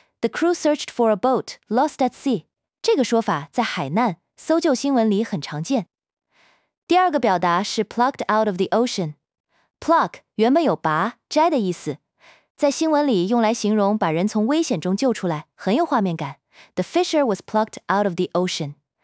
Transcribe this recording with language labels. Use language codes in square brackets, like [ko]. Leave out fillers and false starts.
[en] The crew searched for a boat lost at sea. [zh] 这个说法在海难、搜救新闻里很常见。第二个表达是 [en] plucked out of the ocean。 [zh] Pluck 原本有拔、摘的意思，在新闻里用来形容把人从危险中救出来，很有画面感。 [en] The fisher was plucked out of the ocean.